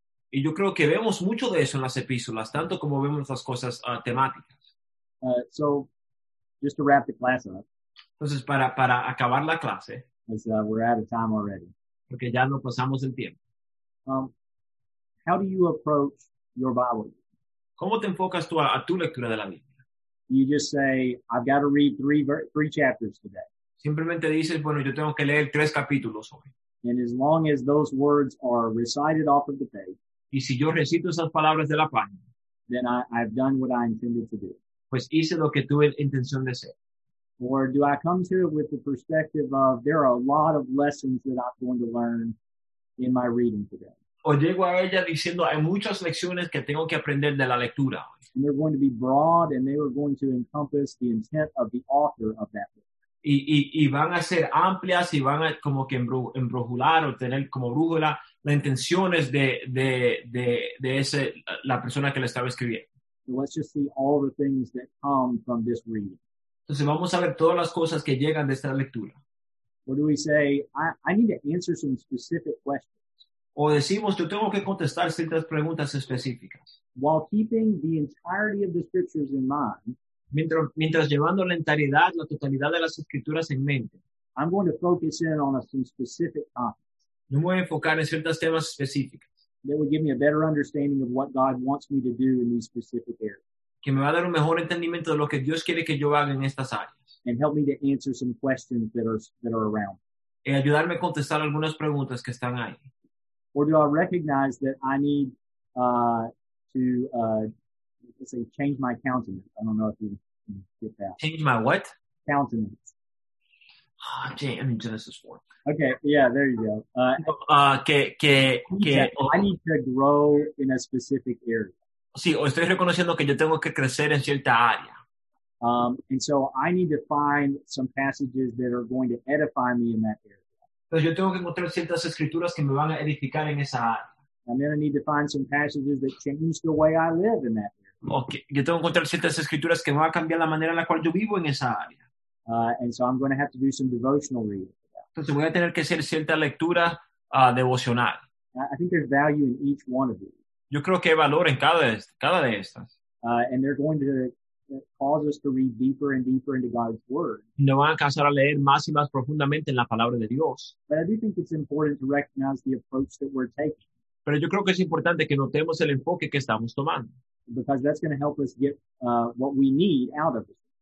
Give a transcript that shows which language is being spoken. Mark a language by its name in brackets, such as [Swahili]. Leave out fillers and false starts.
[Spanish] Y yo creo que vemos mucho de eso en las epístolas, tanto como vemos las cosas temáticas. [English] So, just to wrap the class up, [Spanish] entonces, para acabar la clase, [English] we're out of time already. [Spanish] Porque ya no pasamos el tiempo. [English] How do you approach your Bible? [Spanish] ¿Cómo te enfocas tú a tu lectura de la Biblia? [English] You just say, I've got to read three chapters today. [Spanish] Simplemente dices, bueno, yo tengo que leer tres capítulos hoy. [English] And as long as those words are recited off of the page, [Spanish] y si yo recito esas palabras de la página, [English] then I've done what I intended to do. [Spanish] Pues hice lo que tuve intención de hacer. [English] Or do I come to it with the perspective of, there are a lot of lessons that I'm going to learn in my reading today. [Spanish] O llego a ella diciendo, hay muchas lecciones que tengo que aprender de la lectura. [English] And they're going to be broad and they are going to encompass the intent of the author of that book. [Spanish] Y van a ser amplias y van a como que embrujular o tener como brújula las intenciones de ese, la persona que le estaba escribiendo. [English] So let's just see all the things that come from this reading. [Spanish] Entonces vamos a ver todas las cosas que llegan de esta lectura. [English] What do we say? I need to answer some specific questions. [Spanish] O decimos, yo tengo que contestar ciertas preguntas específicas. [English] While keeping the entirety of the scriptures in mind, [Spanish] mientras llevando la totalidad de las escrituras en mente, [English] I'm going to focus in on some specific topics. [Spanish] Yo me voy a enfocar en ciertos temas específicos. [English] That will give me a better understanding of what God wants me to do in these specific areas. [Spanish] Que me va a dar un mejor entendimiento de lo que Dios quiere que yo haga en estas áreas. [English] And help me to answer some questions that are around. [Spanish] Y ayudarme a contestar algunas preguntas que están ahí. [English] Or do I recognize that I need let's say, change my countenance? I don't know if you can get that. Change my what? Countenance. I'm in Genesis 4. Okay, yeah, there you go. I need to grow in a specific area. [Spanish] Sí, o estoy reconociendo que yo tengo que crecer en cierta área. [English] And so I need to find some passages that are going to edify me in that area. [Spanish] Entonces yo tengo que encontrar ciertas escrituras que me van a edificar en esa área. [English] I'm going to need to find some passages that change the way I live in that area. Okay. [Spanish] Yo tengo que encontrar ciertas escrituras que me van a cambiar la manera en la cual yo vivo en esa área. [English] And so I'm going to have to do some devotional reading. [Spanish] Entonces voy a tener que hacer cierta lectura devocional. [English] I think there's value in each one of these. [Spanish] Yo creo que hay valor en cada de estas. [English] And they're going to cause us to read deeper and deeper into God's word. [Spanish] No van a causar a leer más y más profundamente en la palabra de Dios. [English] But I do think it's important to recognize the approach that we're taking. [Spanish] Pero yo creo que es importante que notemos el enfoque que estamos tomando. [English] Because that's going to help us get what we need out of it.